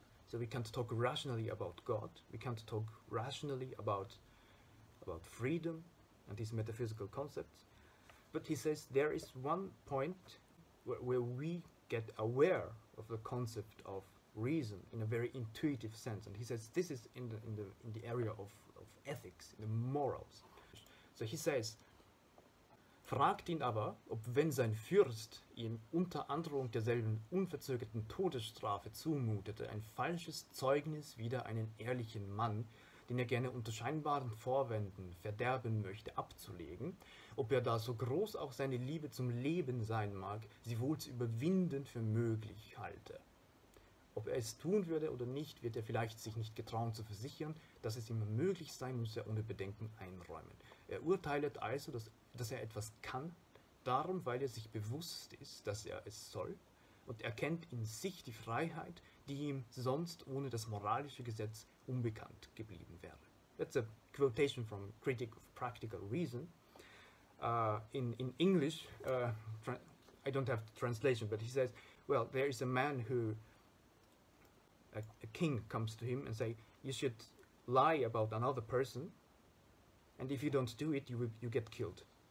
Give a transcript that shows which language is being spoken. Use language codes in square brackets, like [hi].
[en] So we can't talk rationally about God, we can't talk rationally about freedom, and these metaphysical concepts. But he says there is one point where we get aware of the concept of reason in a very intuitive sense. And he says this is in the area of ethics, in the morals. So he says, [de] fragt ihn aber, ob wenn sein Fürst ihm unter Androhung derselben unverzögerten Todesstrafe zumutete, ein falsches Zeugnis wieder einen ehrlichen Mann, den er gerne unter scheinbaren Vorwänden verderben möchte, abzulegen, ob er da so groß auch seine Liebe zum Leben sein mag, sie wohl zu überwinden für möglich halte. Ob er es tun würde oder nicht, wird er vielleicht sich nicht getrauen zu versichern, dass es ihm möglich sein muss, er ohne Bedenken einräumen. Er urteilet also, dass er etwas kann, darum, weil er sich bewusst ist, dass er es soll, und erkennt in sich die Freiheit, die ihm sonst ohne das moralische Gesetz unbekannt geblieben wäre. [en] That's a quotation from Critic of Practical Reason. In English, I don't have the translation, but he says, well, there is a man who, a king comes to him and say, you should lie about another person, and if you don't do it, you get killed.